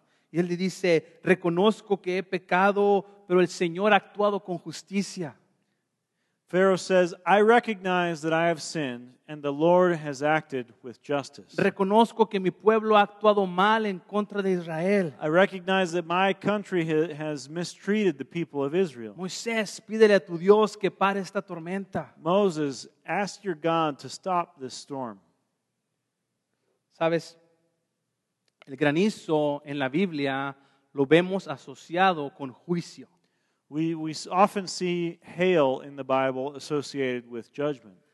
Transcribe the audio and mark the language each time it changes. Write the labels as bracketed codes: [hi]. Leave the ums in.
[es] Y él le dice, reconozco que he pecado, pero el Señor ha actuado con justicia. [en] Pharaoh says, I recognize that I have sinned and the Lord has acted with justice. [es] Reconozco que mi pueblo ha actuado mal en contra de Israel. [en] I recognize that my country ha, has mistreated the people of Israel. [es] Moisés, pídele a tu Dios que pare esta tormenta. [en] Moses, ask your God to stop this storm. [es] Sabes, el granizo en la Biblia lo vemos asociado con juicio. [en] We, we often see hail in the Bible associated with judgment.